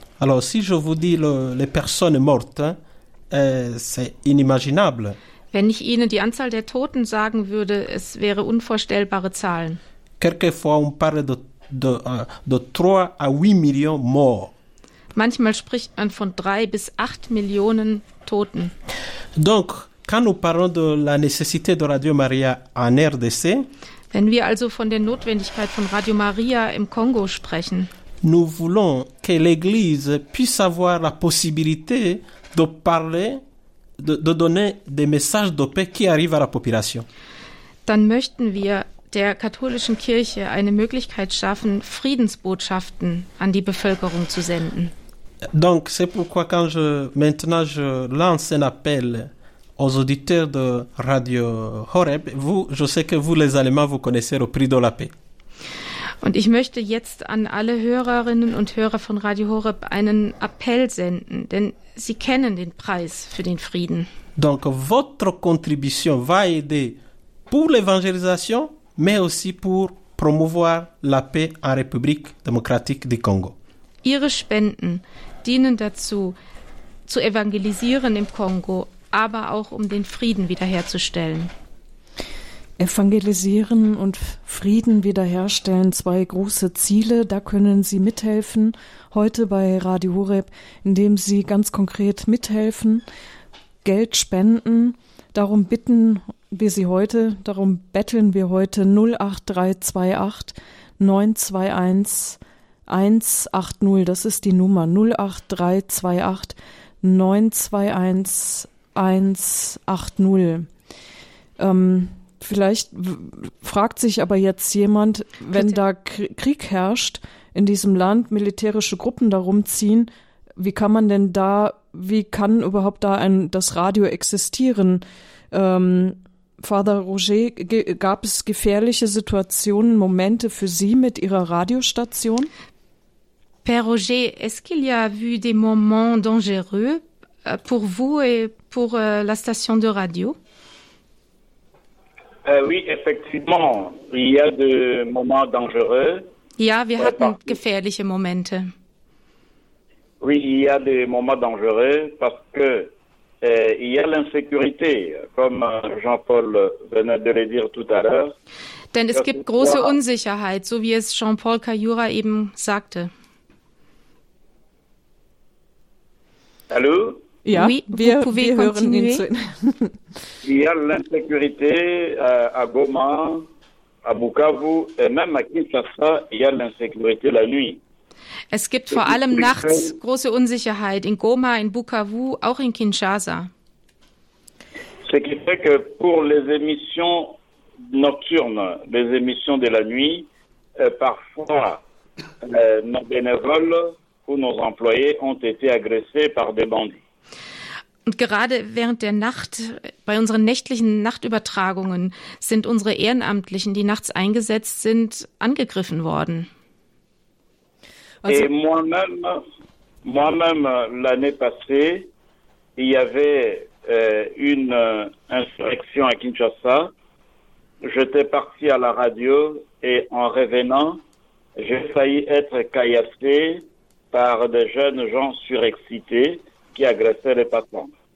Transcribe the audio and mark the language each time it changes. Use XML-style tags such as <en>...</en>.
<fr>Alors, si je vous dis les personnes mortes, c'est inimaginable.</fr> <de>Wenn ich Ihnen die Anzahl der Toten sagen würde, es wäre unvorstellbare Zahlen.</de> <fr>Quelquefois, on parle de 3 à 8 millions morts.</fr> <de>Manchmal spricht man von 3 bis 8 Millionen Toten.</de> <fr>Donc, quand nous parlons de la nécessité de Radio Maria en RDC,</fr> <de>wenn wir also von der Notwendigkeit von Radio Maria im Kongo sprechen,</de> <fr>nous voulons que l'Église puisse avoir la possibilité de parler, de donner des messages de paix qui arrivent à la population.</fr> <de>Dann möchten wir der katholischen Kirche eine Möglichkeit schaffen, Friedensbotschaften an die Bevölkerung zu senden.</de> <fr>Donc, c'est pourquoi quand je lance un appel aux auditeurs de Radio Horeb, je sais que vous, les Allemands, vous connaissez le prix de la paix.</fr> <de>Und ich möchte jetzt an alle Hörerinnen und Hörer von Radio Horeb einen Appell senden, denn sie kennen den Preis für den Frieden.</de> <fr>Donc, votre contribution va aider pour l'évangélisation, mais aussi pour promouvoir la paix en République démocratique du Congo.</fr> <de>Ihre Spenden dienen dazu, zu evangelisieren im Kongo, aber auch um den Frieden wiederherzustellen. Evangelisieren und Frieden wiederherstellen, zwei große Ziele, da können Sie mithelfen, heute bei Radio Horeb, indem Sie ganz konkret mithelfen, Geld spenden, darum bitten wir Sie heute, darum betteln wir heute 08328 921 180, das ist die Nummer, 08328 921 180. Vielleicht fragt sich aber jetzt jemand, wenn da Krieg herrscht in diesem Land, militärische Gruppen darum ziehen, wie kann überhaupt das Radio existieren? Father Roger, gab es gefährliche Situationen, Momente für Sie mit Ihrer Radiostation?</de> <fr>Père Roger, est-ce qu'il y a eu des moments dangereux pour vous et pour la station de radio? Oui, effectivement, il y a des moments dangereux.</fr> <de>Ja, wir hatten gefährliche Momente.</de> <fr>Oui, il y a des moments dangereux parce que il y a l'insécurité, comme Jean-Paul venait de le dire tout à l'heure.</fr> <de>Denn es gibt große Unsicherheit, so wie es Jean-Paul Cayura eben sagte. Hallo? Ja, oui, wir hören ihn zu.</de> <fr>Il y a l'insécurité à Goma, à Bukavu et même à Kinshasa, il y a l'insécurité la nuit.</fr> <de>Es gibt vor allem nachts große Unsicherheit in Goma, in Bukavu, auch in Kinshasa.</de> <fr>Ce qui fait que pour les émissions nocturnes, les émissions de la nuit, parfois nos bénévoles où nos employés ont été agressés par des bandits.</fr> <de>Und gerade während der Nacht, bei unseren nächtlichen Nachtübertragungen, sind unsere Ehrenamtlichen, die nachts eingesetzt sind, angegriffen worden.</de> <fr>Also, et moi-même, moi-même l'année passée, il y avait une insurrection à Kinshasa. J'étais parti à la radio et en revenant, j'ai failli être caillassé par des jeunes gens surexcités qui agressaient les passants.</fr>